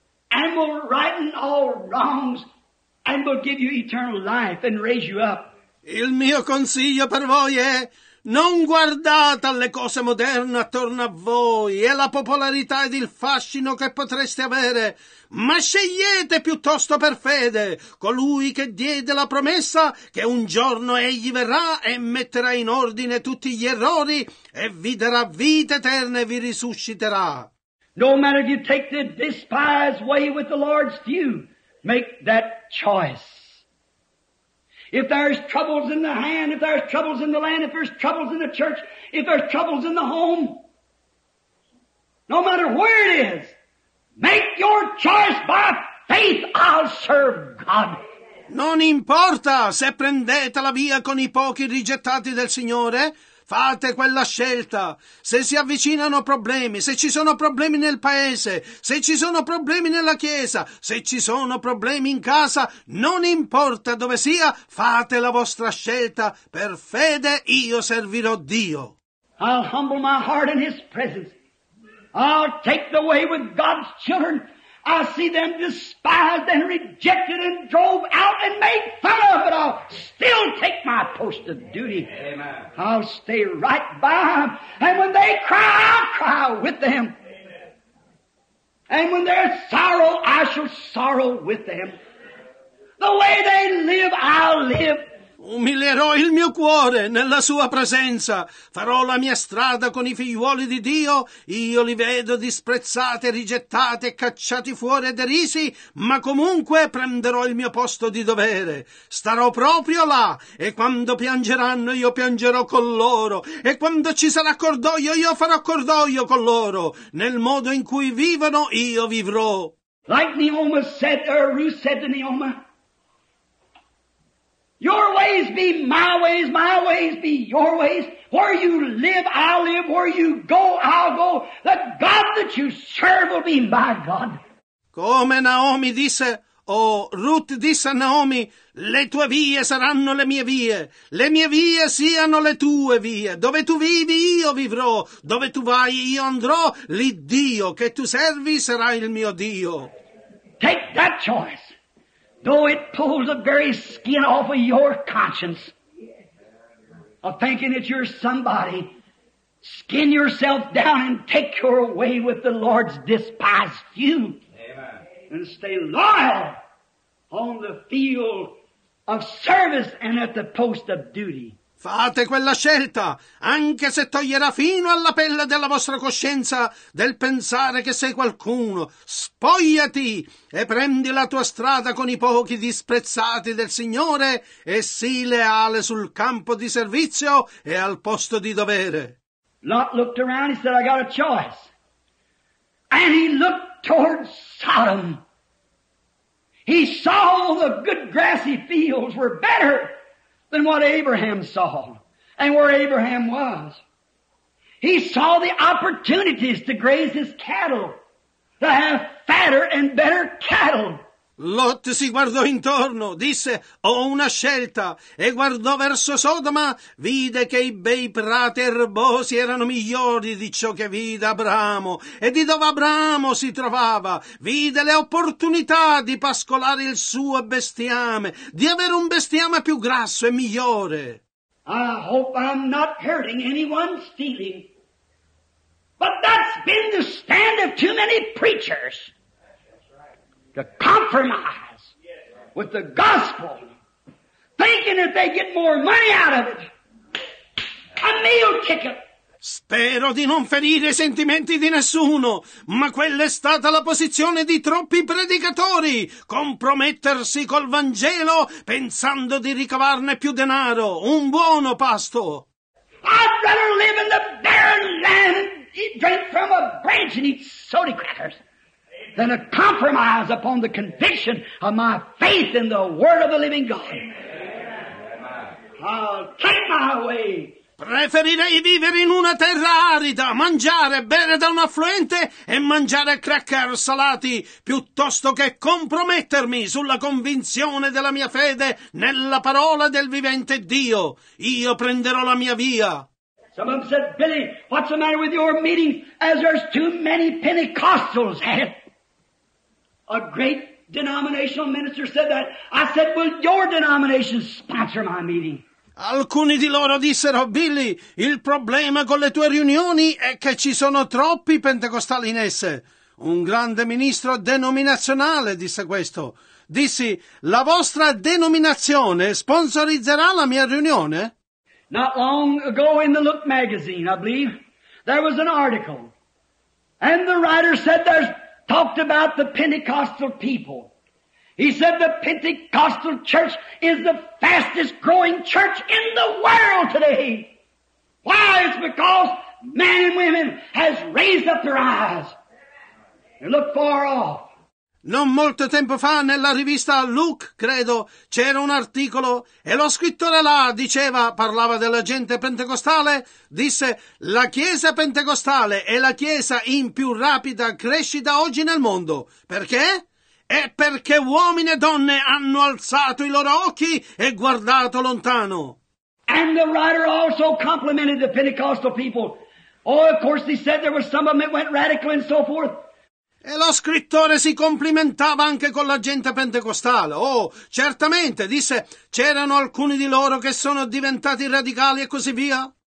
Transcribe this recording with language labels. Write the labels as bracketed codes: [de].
[en] And will righten all wrongs and will give you eternal life and raise you up. [it] Il mio consiglio per voi è non guardate alle cose moderne attorno a voi e la popolarità ed il fascino che potreste avere, ma scegliete piuttosto per fede colui che diede la promessa che un giorno egli verrà e metterà in ordine tutti gli errori e vi darà vita eterna e vi risusciterà. [en] No matter if you take the despised way with the Lord's view, make that choice. If there's troubles in the hand, if there's troubles in the land, if there's troubles in the church, if there's troubles in the home, no matter where it is, make your choice by faith. I'll serve God. [it] Non importa se prendete la via con i pochi rigettati del Signore, fate quella scelta. Se si avvicinano problemi, se ci sono problemi nel paese, se ci sono problemi nella chiesa, se ci sono problemi in casa, non importa dove sia, fate la vostra scelta. Per fede io servirò Dio. [en] I'll humble my heart in His presence. I'll take the way with God's children. I'll see them despised and rejected and drove out and made fun of, but I'll still take my post of duty. Amen. I'll stay right by them. And when they cry, I'll cry with them. Amen. And when they're sorrow, I shall sorrow with them. The way they live, I'll live. [it] Umilierò il mio cuore nella sua presenza, farò la mia strada con i figliuoli di Dio, io li vedo disprezzati, rigettati, cacciati fuori e derisi, ma comunque prenderò il mio posto di dovere, starò proprio là, e quando piangeranno io piangerò con loro, e quando ci sarà cordoglio io farò cordoglio con loro, nel modo in cui vivono io vivrò. [en] Like Naomi said, or Ruth said to Naomi, your ways be my ways be your ways. Where you live, I'll live. Where you go, I'll go. The God that you serve will be my God. [it] Come Naomi disse, o Ruth disse a Naomi, le tue vie saranno le mie vie siano le tue vie. Dove tu vivi, io vivrò. Dove tu vai, io andrò. L'Iddio che tu servi sarà il mio Dio. [en] Take that choice. Though it pulls the very skin off of your conscience of thinking that you're somebody, skin yourself down and take your way with the Lord's despised few. Amen. And stay loyal on the field of service and at the post of duty. [it] Fate quella scelta, anche se toglierà fino alla pelle della vostra coscienza del pensare che sei qualcuno. Spogliati e prendi la tua strada con i pochi disprezzati del Signore e sii leale sul campo di servizio e al posto di dovere. [en] Lot looked around, he said, I got a choice. And he looked towards Sodom. He saw the good grassy fields were better than what Abraham saw and where Abraham was. He saw the opportunities to graze his cattle, to have fatter and better cattle. [it] Lot si guardò intorno, disse, ho una scelta, e guardò verso Sodoma, vide che i bei prati erbosi erano migliori di ciò che vide Abramo, e di dove Abramo si trovava, vide le opportunità di pascolare il suo bestiame, di avere un bestiame più grasso e migliore. [en] I hope I'm not hurting anyone's feeling, but that's been the stand of too many preachers. To compromise with the gospel, thinking that they get more money out of it. A meal ticket. [it] Spero di non ferire i sentimenti di nessuno, ma quella è stata la posizione di troppi predicatori, compromettersi col Vangelo pensando di ricavarne più denaro, un buono pasto. [en] I'd rather live in the barren land and eat, drink from a branch and eat soda crackers. Than a compromise upon the conviction of my faith in the Word of the Living God. Amen. I'll take my way. [it] Preferirei vivere in una terra arida, mangiare, bere da un affluente e mangiare cracker salati, piuttosto che compromettermi sulla convinzione della mia fede nella parola del vivente Dio. Io prenderò la mia via. [en] Some of them said, Billy, what's the matter with your meeting? As there's too many Pentecostals at it. A great denominational minister said that. I said, will your denomination sponsor my meeting? [it] Alcuni di loro dissero, Billy, il problema con le tue riunioni è che ci sono troppi pentecostali in esse. Un grande ministro denominazionale disse questo. Dissi, la vostra denominazione sponsorizzerà la mia riunione? [en] Not long ago in the Look magazine, I believe, there was an article. And the writer said there's talked about the Pentecostal people. He said the Pentecostal church is the fastest growing church in the world today. Why? It's because men and women has raised up their eyes and look far off. [it] Non molto tempo fa, nella rivista Look, credo, c'era un articolo e lo scrittore là diceva, parlava della gente pentecostale, disse: la chiesa pentecostale è la chiesa in più rapida crescita oggi nel mondo. Perché? È perché uomini e donne hanno alzato i loro occhi e guardato lontano. [en] And the writer also complimented the Pentecostal people. Oh, of course, he said there were some of them that went radical and so forth. [it] E lo scrittore si complimentava anche con la gente pentecostale. Oh, certamente, disse, c'erano alcuni di loro che sono diventati radicali e così via.